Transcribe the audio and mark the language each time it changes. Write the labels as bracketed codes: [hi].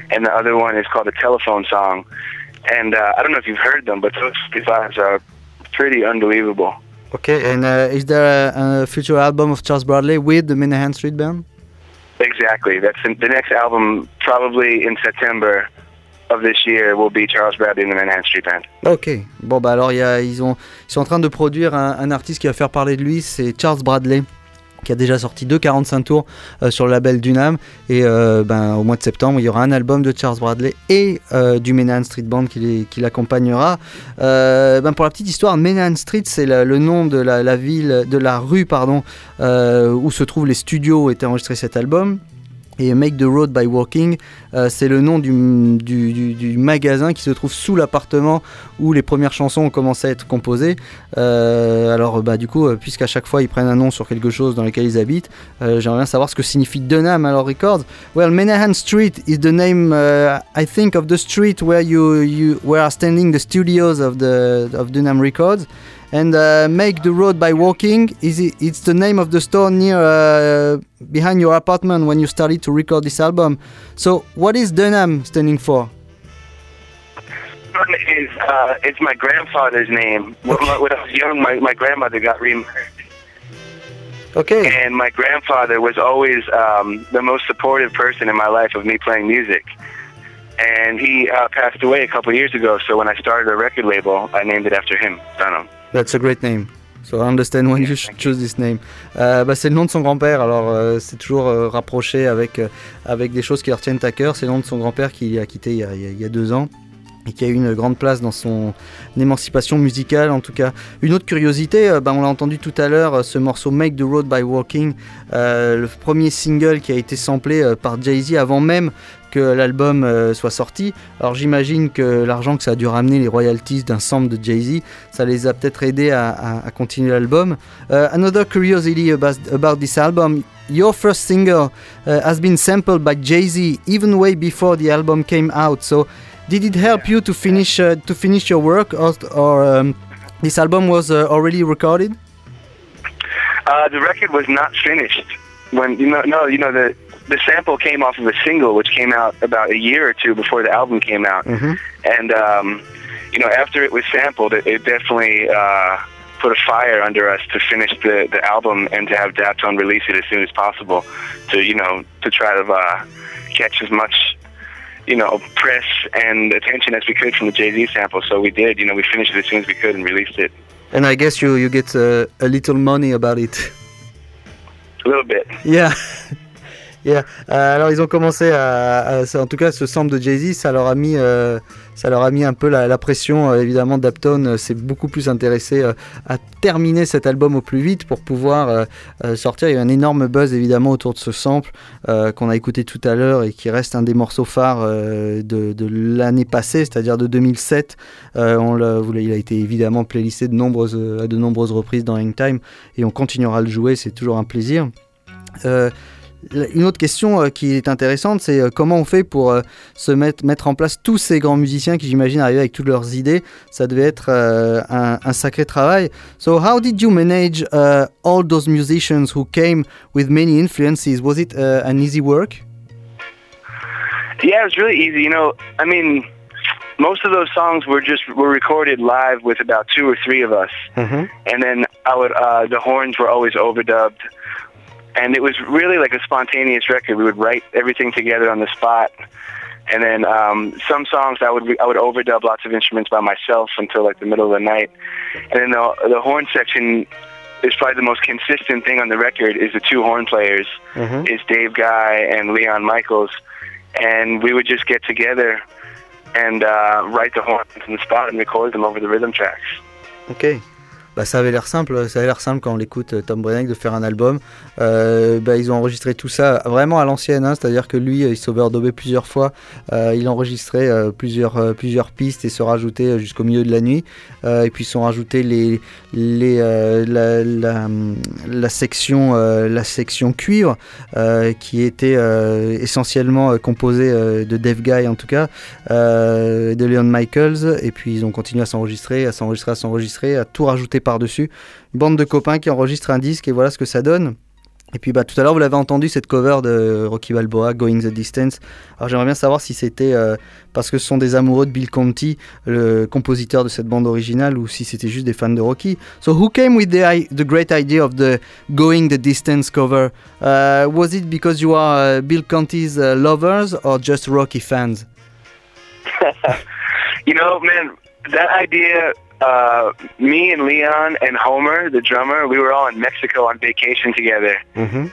[en] and the other one is called The Telephone Song. And I don't know if you've heard them, but those 45s are pretty unbelievable. Okay, and is there a future album of Charles Bradley with the Menahan Street Band? Exactly. That's the next album, probably in September of this year, will be Charles Bradley and the Menahan Street Band. Okay. [fr] Bon, bah alors, ils sont en train de produire un artiste qui va faire parler de lui, c'est Charles Bradley, qui a déjà sorti 2 45 tours sur le label Dunham. Et ben, au mois de septembre, il y aura un album de Charles Bradley et du Menahan Street Band qui l'accompagnera. Ben, pour la petite histoire, Menahan Street, c'est le nom de la ville, de la rue, pardon, où se trouvent les studios où était enregistré cet album. Et Make the Road by Walking, c'est le nom du magasin qui se trouve sous l'appartement où les premières chansons ont commencé à être composées. Alors bah, du coup, puisqu'à chaque fois ils prennent un nom sur quelque chose dans lequel ils habitent, j'aimerais bien savoir ce que signifie Dunham à leur record. [en] Well, Menahan Street is the name, I think, of the street where you were standing the studios of Dunham Records. And Make the Road by Walking is the name of the store near behind your apartment when you started to record this album. So what is Dunham standing for? Dunham is it's my grandfather's name. When I was young, my grandmother got remarried. Okay. And my grandfather was always the most supportive person in my life of me playing music. And he passed away a couple of years ago, so when I started a record label, I named it after him, Dunham. That's a great name. So I understand why you choose this name. [fr] Bah, c'est le nom de son grand-père, alors c'est toujours rapproché avec des choses qui leur tiennent à cœur. C'est le nom de son grand-père qui a quitté il y a 2 ans et qui a eu une grande place dans son émancipation musicale, en tout cas. Une autre curiosité, bah, on l'a entendu tout à l'heure, ce morceau Make the Road by Walking, le premier single qui a été samplé par Jay-Z avant même que l'album soit sorti. Alors j'imagine que l'argent que ça a dû ramener, les royalties d'un sample de Jay-Z, ça les a peut-être aidés à continuer l'album. [en] Another curiosity about this album, your first single has been sampled by Jay-Z even way before the album came out. So did it help you to finish your work, or this album was already recorded? The record was not finished. The sample came off of a single which came out about a year or two before the album came out. Mm-hmm. And, you know, after it was sampled, it definitely put a fire under us to finish the album and to have Daptone release it as soon as possible to, you know, to try to catch as much, you know, press and attention as we could from the Jay-Z sample. So we did, you know, we finished it as soon as we could and released it. And I guess you get a little money about it. A little bit. Yeah. Yeah. [fr] Alors ils ont commencé à en tout cas ce sample de Jay-Z, ça leur a mis un peu la pression. Évidemment, Daptone s'est beaucoup plus intéressé à terminer cet album au plus vite pour pouvoir sortir. Il y a un énorme buzz évidemment autour de ce sample qu'on a écouté tout à l'heure et qui reste un des morceaux phares de l'année passée, c'est-à-dire de 2007. Il a été évidemment playlisté à de nombreuses reprises dans Hangtime et on continuera à le jouer, c'est toujours un plaisir. Une autre question qui est intéressante, c'est comment on fait pour se mettre en place tous ces grands musiciens qui, j'imagine, arrivaient avec toutes leurs idées. Ça devait être un sacré travail. [en] So how did you manage all those musicians who came with many influences? Was it an easy work? Yeah, it was really easy. You know, I mean, most of those songs were recorded live with about 2 or 3 of us. Mm-hmm. And then the horns were always overdubbed. And it was really like a spontaneous record. We would write everything together on the spot. And then some songs I would overdub lots of instruments by myself until like the middle of the night. And then the horn section is probably the most consistent thing on the record is the two horn players, mm-hmm. is Dave Guy and Leon Michaels. And we would just get together and write the horns on the spot and record them over the rhythm tracks. [fr] Okay. Bah, ça avait l'air simple. Ça avait l'air simple quand on l'écoute, Tom Brenneck, de faire un album. Ils ont enregistré tout ça vraiment à l'ancienne, hein, c'est-à-dire que lui, il s'overdobait plusieurs fois. Il enregistrait plusieurs pistes et se rajoutait jusqu'au milieu de la nuit. Et puis sont rajoutés la section cuivre qui était essentiellement composée de Dave Guy, en tout cas, de Leon Michaels. Et puis ils ont continué à s'enregistrer, à tout rajouter par-dessus, une bande de copains qui enregistrent un disque et voilà ce que ça donne. Et puis bah, tout à l'heure vous l'avez entendu, cette cover de Rocky Balboa, Going the Distance. Alors j'aimerais bien savoir si c'était parce que ce sont des amoureux de Bill Conti, le compositeur de cette bande originale, ou si c'était juste des fans de Rocky. [en] So who came with the great idea of the Going the Distance cover? Was it because you are Bill Conti's lovers or just Rocky fans? You know, man, that idea... me and Leon and Homer, the drummer, we were all in Mexico on vacation together, mm-hmm.